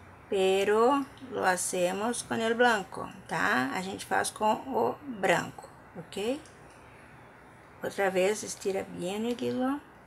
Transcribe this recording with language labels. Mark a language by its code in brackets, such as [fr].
[es] Pero, lo hacemos com el blanco, tá? [pt] A gente faz com o branco, ok? Outra vez, [es] estira bien el hilo.